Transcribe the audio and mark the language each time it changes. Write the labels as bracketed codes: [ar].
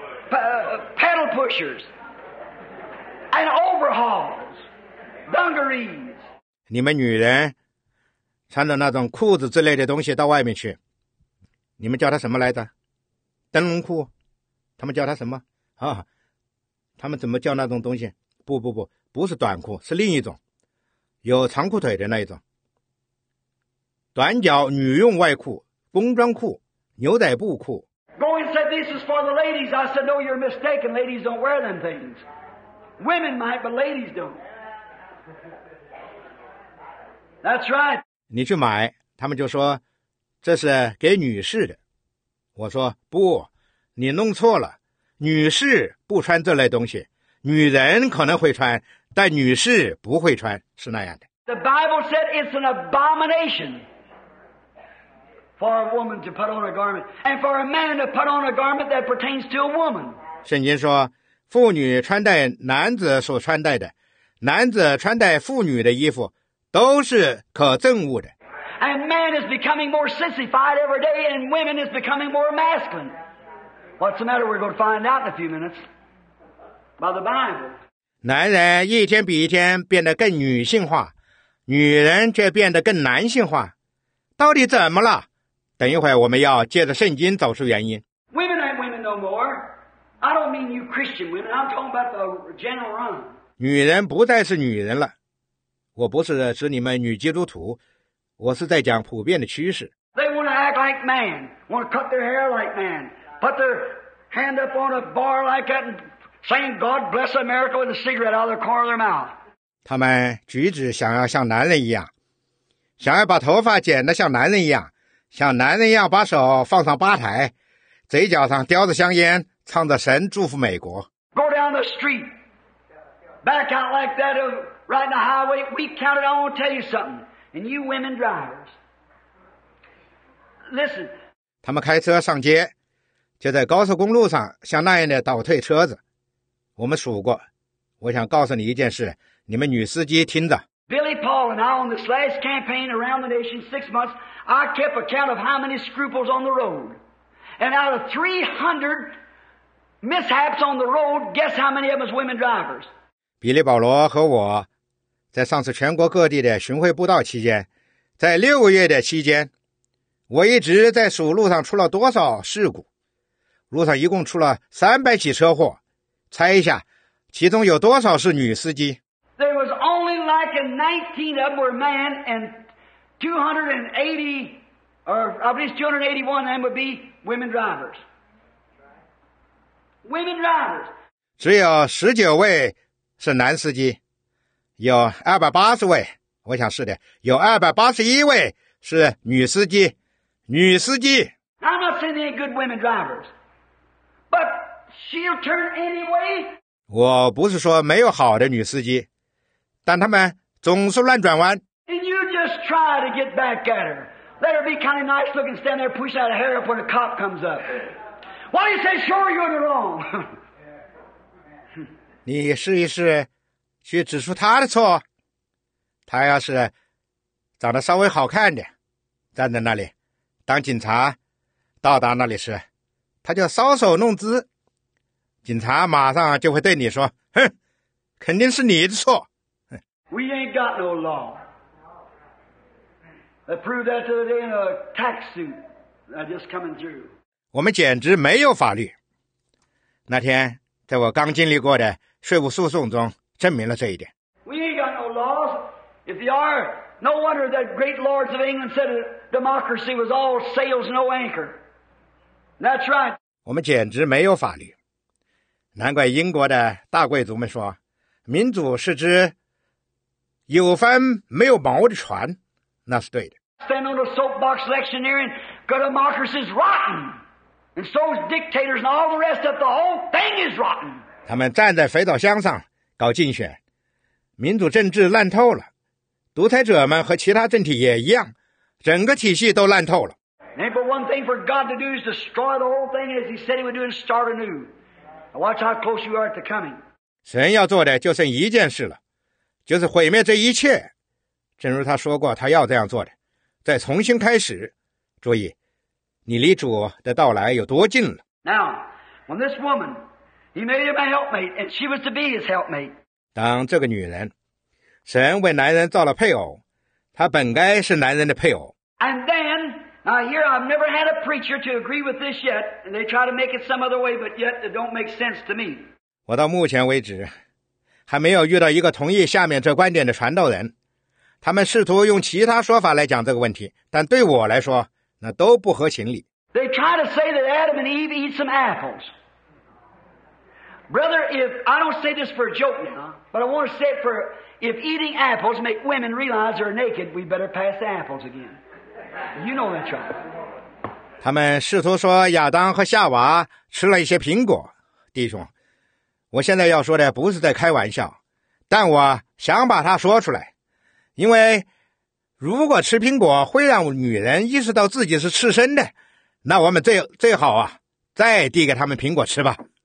[en] No, it's not shorts. It's got the long legs in it. Pedal pushers and overalls, dungarees. [zh] 你们女人穿着那种裤子之类的东西到外面去，你们叫它什么来着？灯笼裤？他们叫它什么？啊？他们怎么叫那种东西？不不不，不是短裤，是另一种，有长裤腿的那一种。短脚女用外裤、工装裤、牛仔布裤。 [en] Go and said this is for the ladies. I said, no, you're mistaken. Ladies don't wear them things. Women might, but ladies don't. That's right. [zh] 你去买，他们就说这是给女士的。我说不，你弄错了。女士不穿这类东西，女人可能会穿，但女士不会穿，是那样的。 [en] The Bible said it's an abomination. For a woman to put on a garment, and for a man to put on a garment that pertains to a woman. [zh] 圣经说，妇女穿戴男子所穿戴的，男子穿戴妇女的衣服，都是可憎恶的。 [en] And man is becoming more sissified every day, and women is becoming more masculine. What's the matter? We're going to find out in a few minutes by the Bible. [zh] 男人一天比一天变得更女性化，女人却变得更男性化，到底怎么了？等一会儿我们要借着圣经找出原因。 [en] Women ain't women no more. I don't mean you Christian women. I'm talking about the general run. [zh] 女人不再是女人了。我不是指你们女基督徒，我是在讲普遍的趋势。 [en] They want to act like man. Want to cut their hair like man. Put their hand up on a bar like that and saying God bless America with a cigarette out of the corner of their mouth. [zh] 他们举止想要像男人一样，想要把头发剪得像男人一样。像男人一样把手放上吧台，嘴角上叼着香烟，唱着神祝福美国。 [en] Go down the street, back out like that, right in the highway. We counted. I want to tell you something. And you women drivers, listen. [zh] 他们开车上街，就在高速公路上像那样的倒退车子。我们数过。我想告诉你一件事，你们女司机听着。 [en] Billy Paul and I on this last campaign around the nation 6 months, I kept a count of how many scruples on the road. And out of 300 mishaps on the road, guess how many of us women drivers? [zh] 比利保罗和我在上次全国各地的巡回布道期间，在六个月的期间，我一直在数路上出了多少事故。路上一共出了300起车祸，猜一下其中有多少是女司机。 [en] There was only like 19 of them were men, and 280, or at least 281 of them would be women drivers. Women drivers. [zh] 只有19位是男司机，有280位，我想是的，有281位是女司机，女司机。 [en] I'm not saying any good women drivers, but she'll turn any way. [zh] 我不是说没有好的女司机。但他们总是乱转弯。 [en] And you just try to get back at her. Let her be kind of nice looking, stand there, push out her hair up when a cop comes up. Why do you say, sure, you're in the wrong? [zh] 你试一试去指出他的错。他要是长得稍微好看的站在那里，当警察到达那里时，他就搔首弄姿，警察马上就会对你说，哼，肯定是你的错。 [en] We ain't got no law. I proved that today in a tax suit. I just coming through. [zh] 我们简直没有法律。那天在我刚经历过的税务诉讼中证明了这一点。 [en] We ain't got no laws. If they are, no wonder that great lords of England said democracy was all sails, no anchor. That's right. [zh] 我们简直没有法律。难怪英国的大贵族们说，民主是只有帆没有锚的船，那是对的。 [en] Stand on a soapbox electioneering, because democracy is rotten, and so is dictators and all the rest of the whole thing is rotten. [zh] 他们站在肥皂箱上搞竞选，民主政治烂透了，独裁者们和其他政体也一样，整个体系都烂透了。 [en] Ain't but one thing for God to do is destroy the whole thing as He said He would do and start anew. Now watch how close you are to coming. [zh] 神要做的就剩一件事了。就是毁灭这一切，正如他说过他要这样做的，再重新开始。注意，你离主的到来有多近了。 [en] Now, when this woman, he made him a helpmate, and she was to be his helpmate. [zh] 当这个女人，神为男人造了配偶，她本该是男人的配偶。 [en] And then, now here I've never had a preacher to agree with this yet, and they try to make it some other way, but yet it don't make sense to me. [zh] 我到目前为止还没有遇到一个同意下面这观点的传道人，他们试图用其他说法来讲这个问题，但对我来说那都不合情理。 [en] They try to say that Adam and Eve eat some apples. Brother, if I don't say this for a joke now, but I want to say it for, if eating apples make women realize they're naked, we better pass the apples again. You know that's right. [zh] 他们试图说亚当和夏娃吃了一些苹果，弟兄，我现在要说的不是在开玩笑，但我想把它说出来，因为如果吃苹果会让女人意识到自己是赤身的，那我们最好啊，再递给他们苹果吃吧。